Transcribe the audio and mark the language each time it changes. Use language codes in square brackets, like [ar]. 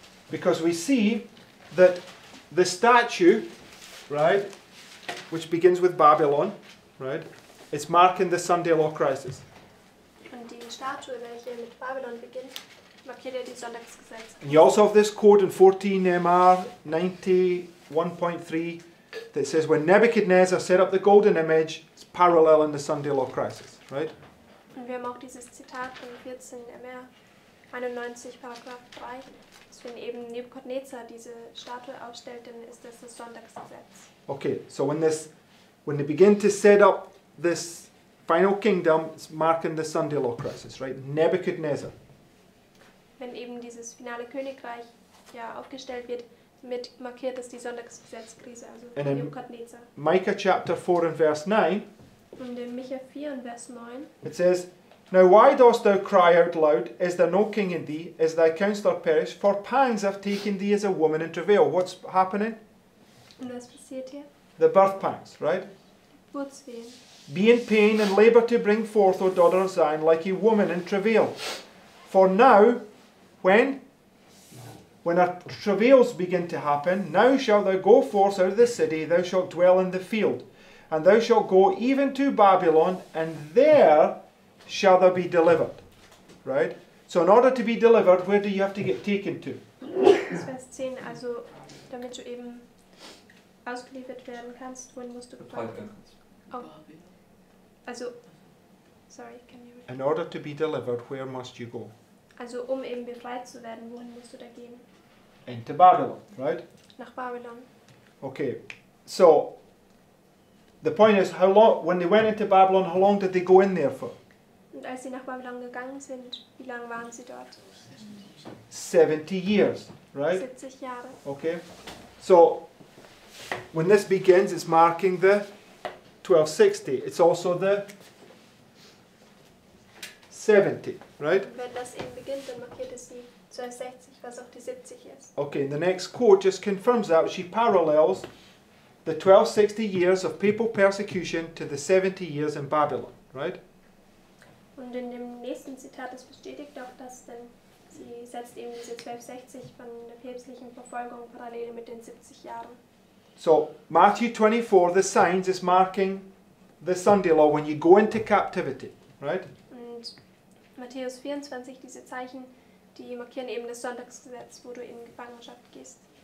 [en] Because we see that the statue, right, which begins with Babylon, right? It's marking the Sunday law crisis. [de] Und die Statue, welche mit Babylon beginnt, markiert ja die Sonntagsgesetz. [en] And you also have this quote in 14 MR 91.3 that says, when Nebuchadnezzar set up the golden image, it's parallel in the Sunday law crisis, right? [de] Und wir haben auch dieses Zitat von 14 MR 91 Paragraph 3, dass wenn eben Nebuchadnezzar diese Statue aufstellt, dann ist das das Sonntagsgesetz. [en] Okay, so when they begin to set up this final kingdom, it's marking the Sunday law crisis, right? Nebuchadnezzar. [de] Wenn eben dieses finale Königreich ja aufgestellt wird, mit markiert das die Sonntagsgesetzkrise, also Nebuchadnezzar. [en] Micah chapter 4 and verse 9. [de] Und in Micha 4 und Vers 9. [en] It says, now why dost thou cry out loud? Is there no king in thee? Is thy counselor perished? For pangs have taken thee as a woman in travail. What's happening? [de] Und was passiert hier? [en] The birth pangs, right? [de] Geburtswehen. [en] Be in pain and labor to bring forth, O daughter of Zion, like a woman in travail. For now, when our travails begin to happen, now shalt thou go forth out of the city, thou shalt dwell in the field. And thou shalt go even to Babylon, and there shall thou be delivered. Right? So in order to be delivered, where do you have to get taken to? [de] Vers 10, also damit du eben ausgeliefert werden kannst, wohin musst du gebracht werden? [en] Oh. Also, sorry, can you read? In order to be delivered, where must you go? [de] Also um eben befreit zu werden, wohin musst du da gehen? [en] Into Babylon, right? [de] Nach Babylon. [en] Okay, so the point is, how long when they went into Babylon, how long did they go in there for? [de] Und als sie nach Babylon gegangen sind, wie lange waren sie dort? [en] 70 years, right? [de] 70 Jahre. [en] Okay, so when this begins, it's marking the 1260. It's also the 70, right? [de] Wenn das eben beginnt, dann markiert es die 260, was auch die 70 ist. [en] Okay, and the next quote just confirms that. She parallels the 1260 years of papal persecution to the 70 years in Babylon, right? [de] Und in dem nächsten Zitat, das bestätigt auch das, denn sie setzt eben diese 1260 von der päpstlichen Verfolgung parallel mit den 70 Jahren. [en] So, Matthew 24, the signs is marking the Sunday law when you go into captivity, right? [de] Und Matthäus 24, diese Zeichen, die markieren eben das Sonntagsgesetz, wo du in Gefangenschaft gehst.